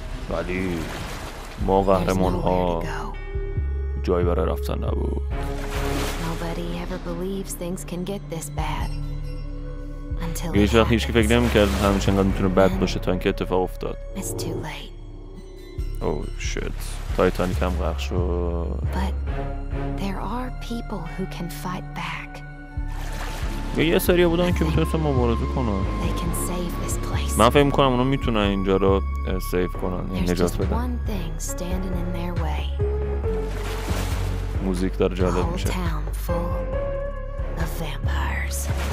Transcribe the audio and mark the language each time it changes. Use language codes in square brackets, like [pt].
[fa] ولی ما قهرمان ها جایی برای رفتن نبود. [en] Nobody ever believes things can get this bad. [fa] Until یه وقت هیچ کی فکر نمیکرد همیشه اینقدر میتونه بد باشه تا اینکه اتفاق افتاد. [en] It's too late. Oh shit. [fa] تایتانیک هم غرق شد. [en] But there are people who can fight back. [fa] یه سری بودن که میتونستن مبارزه کنن. [en] They can save this place. [fa] من فکر میکنم اونا میتونن اینجا رو سیف کنن، یعنی نجات بدن. [en] One thing standing in their way. [fa] موزیک داره جالب میشه. [en] Town full of vampires.